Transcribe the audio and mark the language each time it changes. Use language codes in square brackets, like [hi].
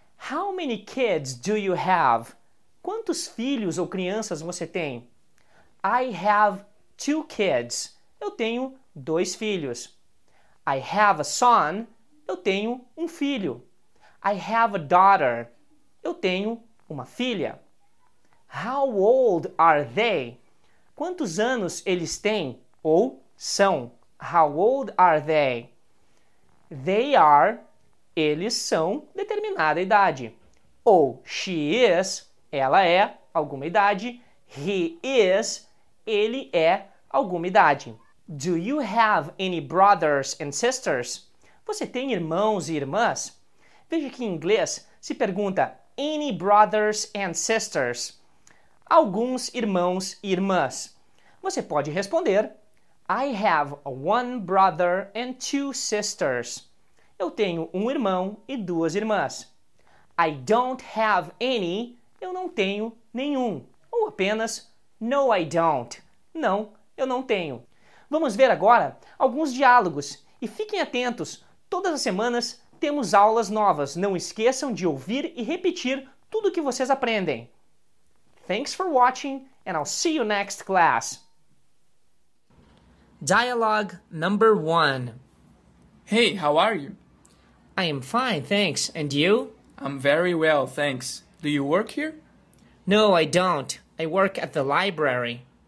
[en] How many kids do you have? [pt] Quantos filhos ou crianças você tem? [en] I have 2 kids. [pt] Eu tenho 2 filhos. [en] I have a son. [pt] Eu tenho 1 filho. [en] I have a daughter. [pt] Eu tenho 1 filha. [en] How old are they? [pt] Quantos anos eles têm ou são? [en] How old are they? They are. [pt] Eles são determinada idade. Ou [en] she is. [pt] Ela é alguma idade. [en] He is. [pt] Ele é alguma idade. [en] Do you have any brothers and sisters? [pt] Você tem irmãos e irmãs? Veja que em inglês se pergunta [en] any brothers and sisters? [pt] Alguns irmãos e irmãs. Você pode responder [en] I have 1 brother and 2 sisters. [pt] Eu tenho 1 irmão e 2 irmãs. [en] I don't have any. [pt] Eu não tenho nenhum. Ou apenas [en] no, I don't. [pt] Não, eu não tenho. Vamos ver agora alguns diálogos e fiquem atentos. Todas as semanas temos aulas novas. Não esqueçam de ouvir e repetir tudo o que vocês aprendem. [en] Thanks for watching and I'll see you next class. Dialogue number 1. Hey, how are you? I am fine, thanks. And you? I'm very well, thanks. Do you work here? No, I don't. I work at the library.